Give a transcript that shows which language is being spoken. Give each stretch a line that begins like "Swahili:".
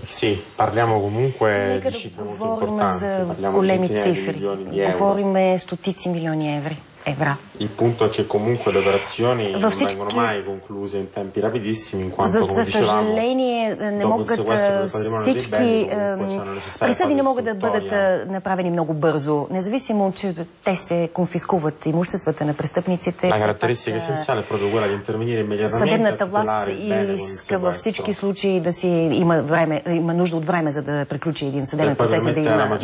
Italian: Sì, parliamo comunque di cifre molto importanti, parliamo di cifre di milioni di euro.
Bulgarian: Говорим стотици милиони евро.
Italian: Il punto è che comunque le operazioni non vengono mai concluse in tempi rapidissimi, in quanto, come dicevamo, dopo il sequestro del patrimonio dei beni,
Bulgarian: присъди не могат да бъдат направени много бързо, независимо че те се конфискуват имуществата на престъпниците.
Italian: La caratteristica essenziale è proprio quella di intervenire immediatamente.
Bulgarian: Съдебната власт иска във всички случаи да си има време, има нужда от време, за да приключи един съдебен процес, да има.